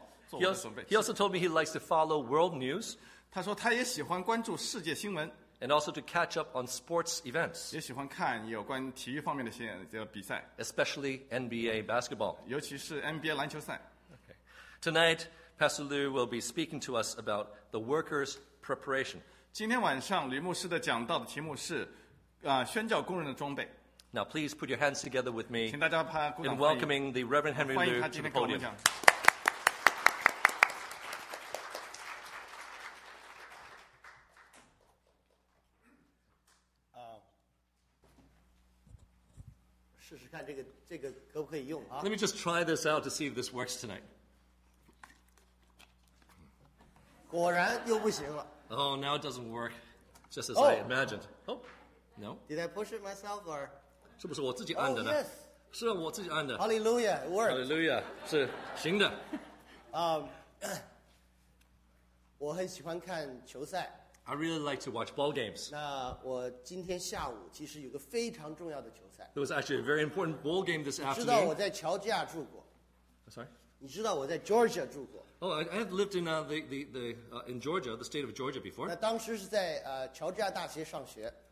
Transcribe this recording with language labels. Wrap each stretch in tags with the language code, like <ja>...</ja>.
<en>He also told me he likes to follow world news.</en> <zh>他说他也喜欢关注世界新闻。</zh> <en>And also to catch up on sports events.</en> <zh>也喜欢看有关体育方面的比赛。</zh> <en>Especially NBA basketball.</en> <zh>尤其是 NBA 篮球赛。</zh> <en>Tonight, Pastor Liu will be speaking to us about the workers' preparation.</en> <zh>今天晚上吕牧师的讲道的题目是，宣教工人的装备。</zh> <en>Now, please put your hands together with me.</en> <zh>请大家鼓掌欢迎。</zh> <en>In welcoming the Reverend Henry Liu to the podium.</en> <zh>欢迎他今天跟我们讲。试试看这个可不可以用啊</zh> <en>？Let me just try this out to see if this works tonight.</en> <zh>果然又不行了。</zh> <en>Oh, now it doesn't work, just as I imagined. Oh, no. Did I push it myself or?</en> <zh>是不是我自己按的呢？</zh> <en>Yes.</en> <zh>是我自己按的。</zh> <en>Hallelujah, it worked.</en> <zh>Hallelujah, 是行的。我很喜欢看球赛。</zh> <en>I really like to watch ball games.</en> <zh>那我今天下午其实有个非常重要的球赛。</zh> <en>There was actually a very important ball game this afternoon.</en> <zh>你知道我在乔治亚住过。</zh> <en>Sorry?</en> <zh>你知道我在 Georgia 住过。</zh> <en>Oh, I have lived in Georgia, the state of Georgia before.</en> <zh>那当时是在乔治亚大学上学。</zh>